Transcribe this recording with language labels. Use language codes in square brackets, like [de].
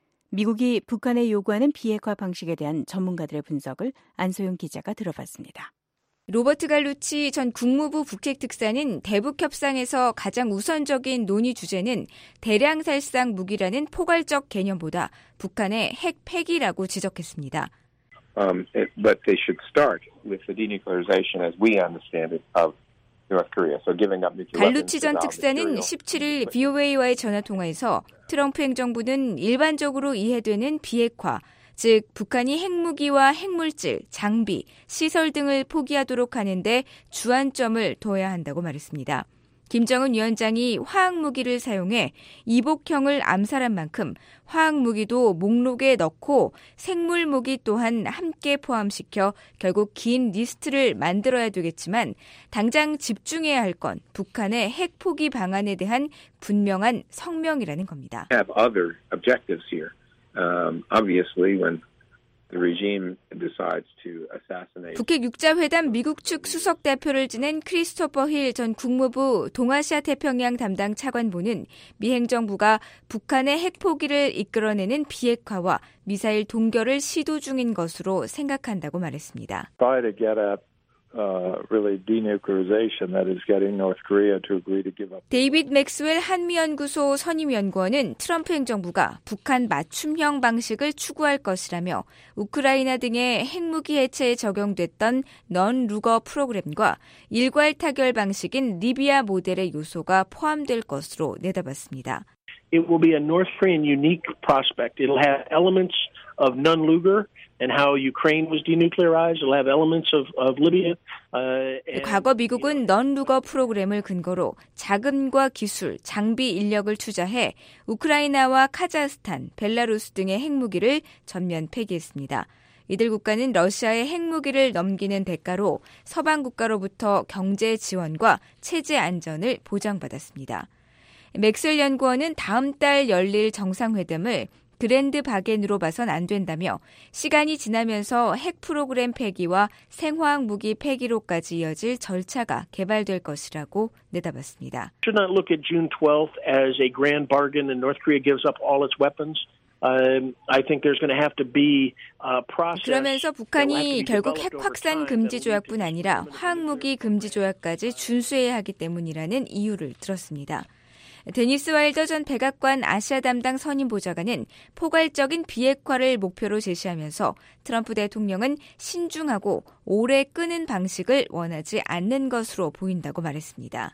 [ko] 미국이 북한에 요구하는 비핵화 방식에 대한 전문가들의 분석을 안소영 기자가 들어봤습니다. 로버트 갈루치 전 국무부 북핵특사는 대북협상에서 가장 우선적인 논의 주제는 대량살상 무기라는 포괄적 개념보다 북한의 핵 폐기라고 지적했습니다. [en] But they should start with the denuclearization as we understand it of North Korea. So giving up nuclear. [ko] 갈루치 전 특사는 17일 VOA와의 전화 통화에서 트럼프 행정부는 일반적으로 이해되는 비핵화, 즉 북한이 핵무기와 핵물질, 장비, 시설 등을 포기하도록 하는 데 주안점을 둬야 한다고 말했습니다. 김정은 위원장이 화학무기를 사용해 이복형을 암살한 만큼 화학무기도 목록에 넣고 생물무기 또한 함께 포함시켜 결국 긴 리스트를 만들어야 되겠지만 당장 집중해야 할 건 북한의 핵포기 방안에 대한 분명한 성명이라는 겁니다. [en] We have other objectives here. Obviously, when the regime decides to assassinate. [ko] 북핵 6자회담 미국 측 수석 대표를 지낸 크리스토퍼 힐 전 국무부 동아시아 태평양 담당 차관보는 미 행정부가 북한의 핵포기를 이끌어내는 비핵화와 미사일 동결을 시도 중인 것으로 생각한다고 말했습니다. [en] Try to get at really denuclearization that is getting North Korea to agree to give up. [ko] 데이비드 맥스웰 한미연구소 선임연구원은 트럼프 행정부가 북한 맞춤형 방식을 추구할 것이라며 우크라이나 등의 핵무기 해체에 적용됐던 넌 루거 프로그램과 일괄 타결 방식인 리비아 모델의 요소가 포함될 것으로 내다봤습니다. [en] It will be a North Korean unique prospect. It'll have elements of non Luger and how Ukraine was denuclearized. It'll have elements of Libya. [ko] 과거 미국은 넌 루거 프로그램을 근거로 자금과 기술, 장비 인력을 투자해 우크라이나와 카자흐스탄, 벨라루스 등의 핵무기를 전면 폐기했습니다. 이들 국가는 러시아의 핵무기를 넘기는 대가로 서방 국가로부터 경제 지원과 체제 안전을 보장받았습니다. 맥스웰 연구원은 다음 달 열릴 정상회담을 그랜드 바겐으로 봐선 안 된다며 시간이 지나면서 핵 프로그램 폐기와 생화학 무기 폐기로까지 이어질 절차가 개발될 것이라고 내다봤습니다. [en] Should not look at June 12th as a grand bargain and North Korea gives up all its weapons. I think there's going to have to be a process. [ko] 그러면서 북한이 결국 핵 확산 금지 조약뿐 아니라 화학 무기 금지 조약까지 준수해야 하기 때문이라는 이유를 들었습니다. 데니스 와일더 전 백악관 아시아 담당 선임 보좌관은 포괄적인 비핵화를 목표로 제시하면서 트럼프 대통령은 신중하고 오래 끄는 방식을 원하지 않는 것으로 보인다고 말했습니다.